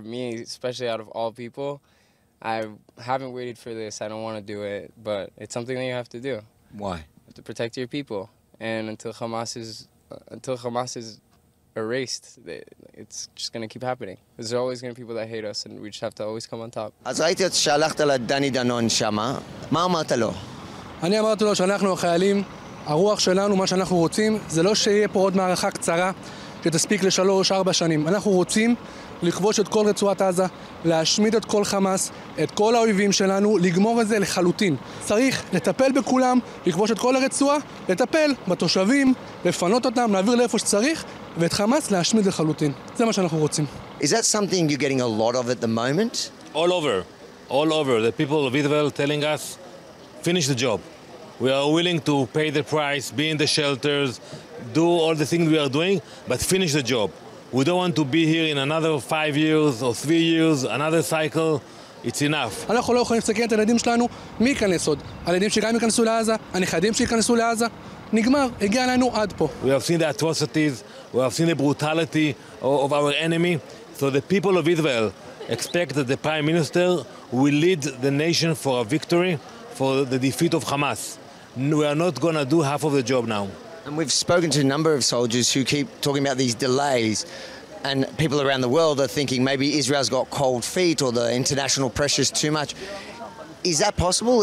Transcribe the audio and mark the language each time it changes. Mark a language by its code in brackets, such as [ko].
[en] Me, especially out of all people, I haven't waited for this. I don't want to do it, but it's something that you have to do. Why? You have to protect your people. And until Hamas is erased, it's just going to keep happening. There's always going to be people that hate us, and we just have to always come on top. [he] אז ראיתי את שלחת לדני דנון שמה. מה אמרת לו? אני אמרתי לו שאנחנו החיילים, הרוח שלנו, מה שאנחנו רוצים, זה לא שיהיה פה עוד מערכה קצרה, שתספיק ל3-4 שנים. אנחנו רוצים לכבוש את כל רצועת עזה, להשמיד את כל חמאס, את כל האויבים שלנו, לגמור את זה לחלוטין. צריך לטפל בכולם, לכבוש את כל הרצועה, לטפל בתושבים, לפנות אותם, להעביר לאיפה שצריך, ואת חמאס להשמיד לחלוטין. זה מה שאנחנו רוצים. [en] Is that something you're getting a lot of at the moment? All over. All over. The people of Israel telling us, finish the job. We are willing to pay the price, be in the shelters, do all the things we are doing, but finish the job. We don't want to be here in another 5 years or 3 years, another cycle. It's enough. [he] אנחנו לא יכולים לסכן את הילדים שלנו. מי ייכנס עוד? הילדים שגם ייכנסו לעזה, הנכדים שיכנסו לעזה. נגמר, הגיע לנו עד פה. [en] We have seen the atrocities, we have seen the brutality of our enemy. So the people of Israel expect that the prime minister will lead the nation for a victory, for the defeat of Hamas. We are not going to do half of the job now. And we've spoken to a number of soldiers who keep talking about these delays, and people around the world are thinking maybe Israel's got cold feet or the international pressure's too much. Is that possible?